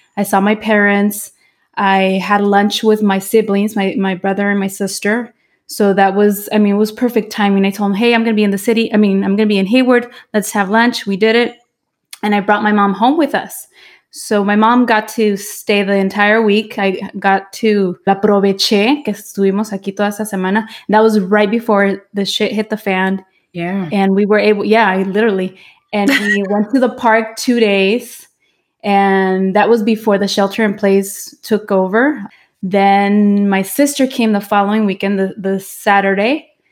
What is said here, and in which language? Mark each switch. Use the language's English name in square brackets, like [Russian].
[English] I saw my parents. I had lunch with my siblings, my brother and my sister. So that was, I mean, it was perfect timing. I told them, hey, I'm going to be in Hayward. Let's have lunch. We did it. And I brought my mom home with us. So my mom got to stay the entire week. I got to [Spanish] la aproveché, que estuvimos aquí toda esa semana. [English] And that was right before the shit hit the fan. Yeah. And we were able, yeah, I literally. And we went to the park 2 days. And that was before the shelter in place took over. Then my sister came the following weekend, the Saturday.